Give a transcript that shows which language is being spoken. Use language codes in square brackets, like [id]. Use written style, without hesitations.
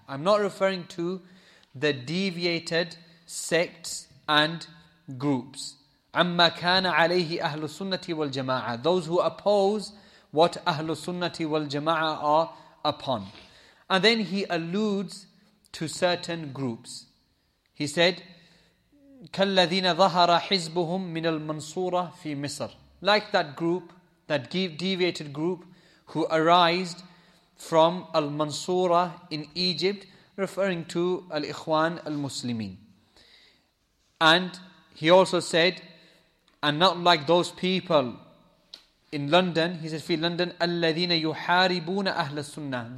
[en] I'm not referring to the deviated sects and groups. [ar] Amma kana alayhi Ahlul Sunnati wal-Jama'ah. [en] Those who oppose what Ahlul Sunnati wal-Jama'ah are upon. And then he alludes to certain groups. He said, [ar] كَالَّذِينَ ظَهَرَ حِزْبُهُمْ مِنَ الْمَنْصُورَةِ فِي مِصْرِ. [en] Like that group, that deviated group who arised from Al-Mansura in Egypt, referring to Al-Ikhwan Al-Muslimin. And he also said, and not like those people in London, he said, [ar] فِي لَنْدَنْ أَلَّذِينَ يُحَارِبُونَ أَهْلَ السُنَّةِ.